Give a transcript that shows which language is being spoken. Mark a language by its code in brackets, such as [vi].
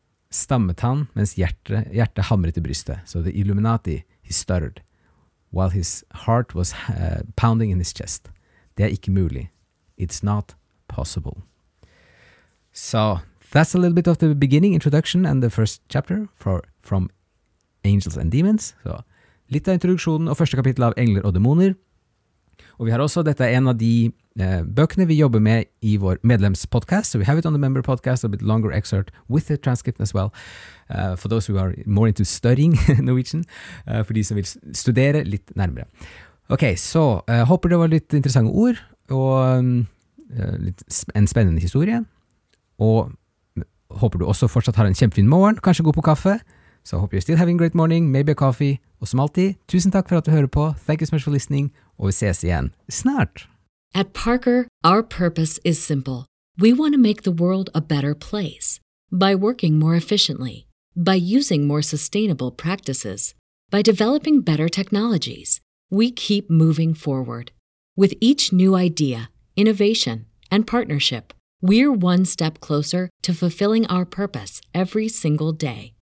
[no] Stammet han mens hjertet hamret I brystet. [en] So the Illuminati, he stuttered while his heart was pounding in his chest. [no] Det ikke mulig. [en] It's not possible. So that's a little bit of the beginning introduction and the first chapter from Angels and Demons. [no] So litt av introduksjonen og første kapittel av Engler og Dæmoner. Og vi har også, dette en av de bøkene vi jobber med I vår medlemspodcast. [en] So we have it on the member podcast, a bit longer excerpt with the transcript as well. For those who are more into studying Norwegian, [no] for de som vil studere litt nærmere. Ok, så håper det var litt interessante ord og en spennende historie og håper du også fortsatt har en kjempefin morgen, kanskje gå på kaffe [en] so I hope you're still having a great morning, maybe a coffee [no] og som alltid, tusen takk for at du hører på [en] thank you so much for listening [no] og vi ses igjen snart [en] At Parker, our purpose is simple we want to make the world a better place by working more efficiently by using more sustainable practices by developing better technologies we keep moving forward with each new idea innovation, and partnership, we're one step closer to fulfilling our purpose every single day.